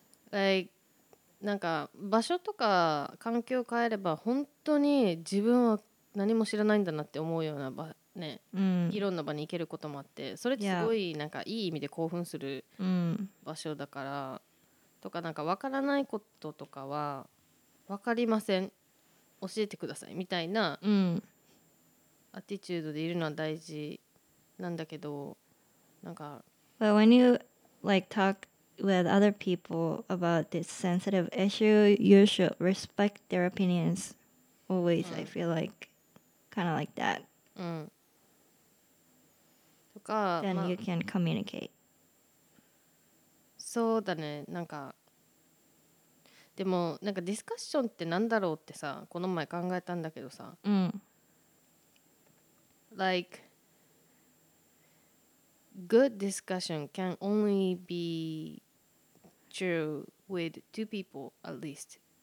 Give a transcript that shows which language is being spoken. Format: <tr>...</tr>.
<ja>Like なんか場所とか環境を変えれば本当に自分は何も知らないんだなって思うような場ね、いろんな場に行けることもあって、それってすごいなんかいい意味で興奮する場所だから、とかなんか分からないこととかは分かりません教えてくださいみたいなアティチュードでいるのは大事なんだけど、なんか</ja> <en>But when you like talk with other people about this sensitive issue, you should respect their opinions always. I feel like kind of like that.</en> <ja>とか、</ja> <en>Then you can communicate.</en> <ja>そうだね。なんかでもなんかディスカッションってなんだろうってさ、この前考えたんだけどさ。</ja> <en>Like good discussion can only be true with two people at least.</en>